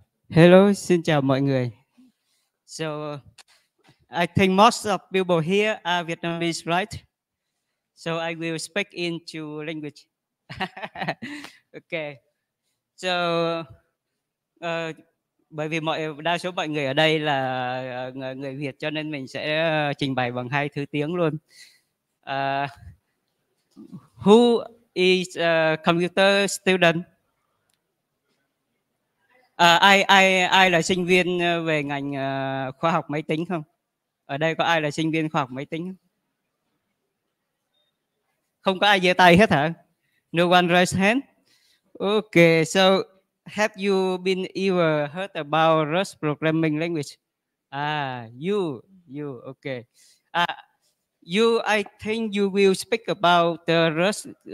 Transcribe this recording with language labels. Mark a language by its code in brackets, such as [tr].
[en] Hello, [vi] xin chào mọi người. [en] So, I think most of people here are Vietnamese, right? So, I will speak into language. Okay. [vi] So, bởi vì đa số mọi người ở đây là người Việt, cho nên mình sẽ trình bày bằng hai thứ tiếng luôn. [en] Who is a computer student? [vi] Ai là sinh viên về ngành khoa học máy tính không? Ở đây có ai là sinh viên khoa học máy tính không? Không có ai giơ tay hết hả? [en] No one raised hand. Okay, so have you been ever heard about Rust programming language? You, okay. I think you will speak about the Rust.